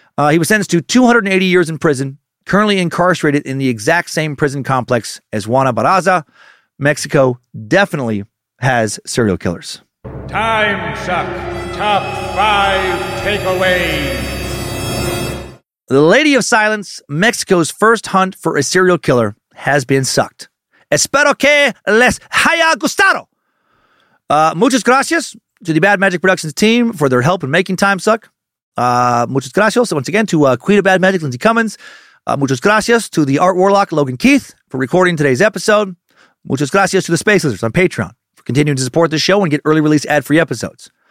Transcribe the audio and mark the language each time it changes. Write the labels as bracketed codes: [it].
[en] He was sentenced to 280 years in prison, currently incarcerated in the exact same prison complex as Juana Barraza. Mexico definitely has serial killers. Time suck. Top five takeaways. The Lady of Silence, Mexico's first hunt for a serial killer, has been sucked. [es] Espero que les haya gustado. Muchas gracias [en] to the Bad Magic Productions team for their help in making Time Suck. [es] Muchas gracias [en] once again to Queen of Bad Magic, Lindsay Cummins. [es] Muchas gracias [en] to the Art Warlock, Logan Keith, for recording today's episode. [es] Muchas gracias [en] to the Space Lizards on Patreon for continuing to support this show and get early release ad-free episodes.